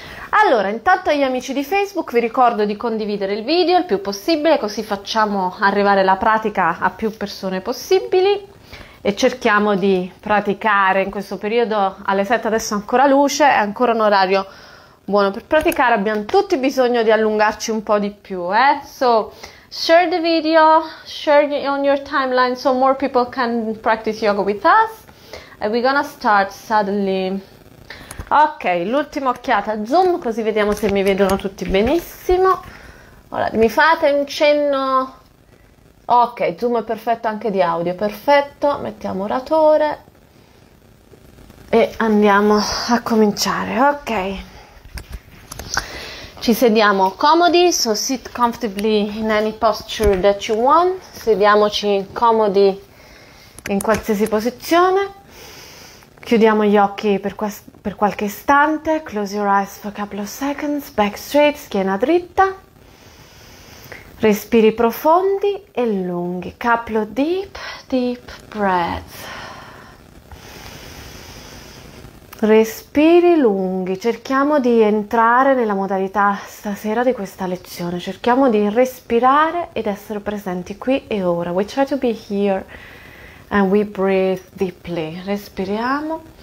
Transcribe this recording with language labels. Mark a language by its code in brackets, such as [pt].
[it] Allora, intanto agli amici di Facebook vi ricordo di condividere il video il più possibile, così facciamo arrivare la pratica a più persone possibili e cerchiamo di praticare in questo periodo alle 7 adesso ancora luce, è ancora un orario buono per praticare, abbiamo tutti bisogno di allungarci un po' di più, eh? [en] So, share the video, share on your timeline so more people can practice yoga with us. And we're gonna start suddenly. [it] Ok, l'ultima occhiata a Zoom, così vediamo se mi vedono tutti benissimo. Ora, mi fate un cenno. Ok, Zoom è perfetto anche di audio, perfetto. Mettiamo oratore e andiamo a cominciare. [en] Ok, [it] ci sediamo comodi, [en] so sit comfortably in any posture that you want. [it] Sediamoci comodi in qualsiasi posizione. Chiudiamo gli occhi per qualche istante, [en] close your eyes for a couple of seconds, back straight, [it] schiena dritta, respiri profondi e lunghi, [en] couple of deep, deep breaths. [it] Respiri lunghi, cerchiamo di entrare nella modalità stasera di questa lezione, cerchiamo di respirare ed essere presenti qui e ora. [en] We try to be here and we breathe deeply, [it] respiriamo.